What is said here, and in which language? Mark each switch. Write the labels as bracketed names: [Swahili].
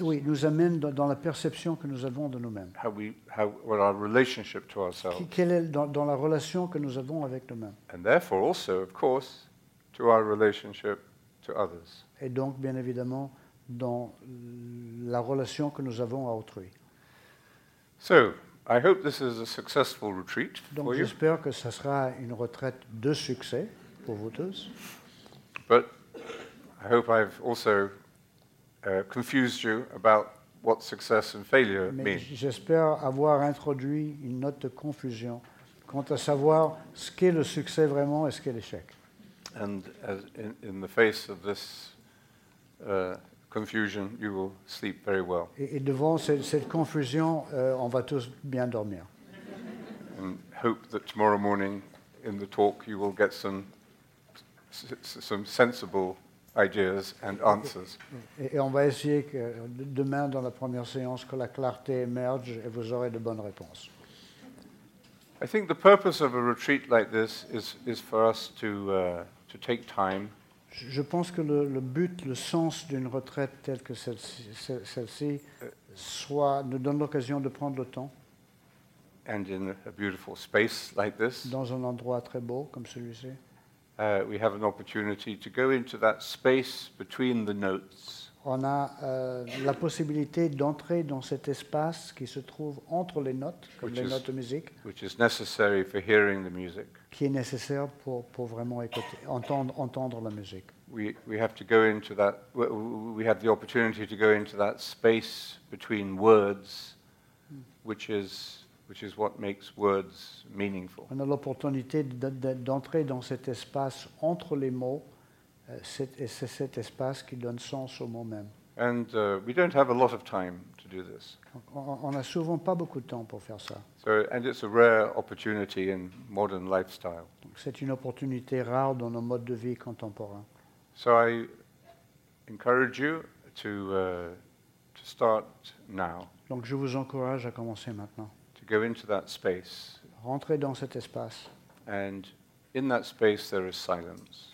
[French] Oui, nous amène dans la perception que nous avons de nous-mêmes. [English] What our relationship to ourselves. [French] Quelle est dans la relation que nous avons avec nous-mêmes. [English] And therefore also, of course, to our relationship to others. [French] Et donc, bien évidemment, dans la relation que nous avons à autrui. [English] So, I hope this is a successful retreat [French] donc, [English] for you. [French] Donc, j'espère que ça sera une retraite de succès pour vous tous. [English] But I hope I've also confused you about what success and failure [French] mais [English] mean. [French] J'espère avoir introduit une note de confusion quant à savoir ce qu'est le succès vraiment et ce qu'est l'échec. [English] And as in the face of this confusion, you will sleep very well. [French] Et devant cette confusion, on va tous bien dormir. [English] And hope that tomorrow morning, in the talk, you will get some sensible ideas and answers. [French] Et on va essayer que demain, dans la première séance, que la clarté émerge et vous aurez de bonnes réponses. [English] I think the purpose of a retreat like this is for us to take time. [French] Je pense que le but, le sens d'une retraite telle que celle-ci soit, nous donne l'occasion de prendre le temps [English] and in a beautiful space like this, [French] dans un endroit très beau comme celui-ci. [English] We have an opportunity to go into that space between the notes. [French] On a la possibilité d'entrer dans cet espace qui se trouve entre les notes, comme [English] which [French] les notes de musique, [English] which is necessary for hearing the music. [French] Qui est nécessaire pour vraiment écouter, entendre la musique. [English] We have the opportunity to go into that space between words, which is what makes words meaningful. [French] On a l'opportunité d'entrer dans cet espace entre les mots. C'est cet espace qui donne sens au mot même. [English] And we don't have a lot of time to do this. [French] On a souvent pas beaucoup de temps pour faire ça. [English] So, and it's a rare opportunity in modern lifestyle. [French] Donc, c'est une opportunité rare dans nos modes de vie contemporains. [English] So I encourage you to start now. [French] Donc je vous encourage à commencer maintenant. [English] To go into that space. [French] Rentrer dans cet espace. [English] And in that space, there is silence.